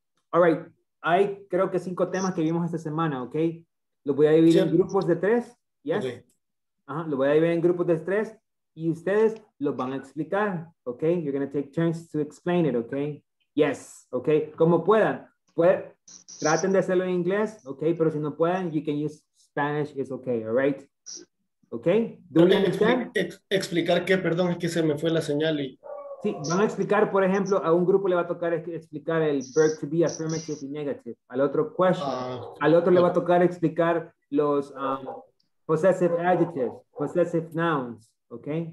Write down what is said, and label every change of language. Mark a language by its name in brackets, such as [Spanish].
[Spanish] All right, hay creo que 5 temas que vimos esta semana, okay? Lo voy a dividir en grupos de 3, yes? Okay. Lo voy a dividir en grupos de 3 y ustedes lo van a explicar, okay? [English] You're going to take turns to explain it, okay? Yes, okay? [Spanish] Como puedan, traten de hacerlo en inglés, okay? Pero si no pueden, [English] you can use Spanish, it's okay, all right? Okay? ¿Do you understand? [Spanish] Explicar qué, perdón, es que se me fue la señal y... Sí, van a explicar, por ejemplo, a un grupo le va a tocar explicar el verb to be, affirmative y negative. Al otro, question. Al otro le va a tocar explicar los possessive adjectives, possessive nouns, ¿ok?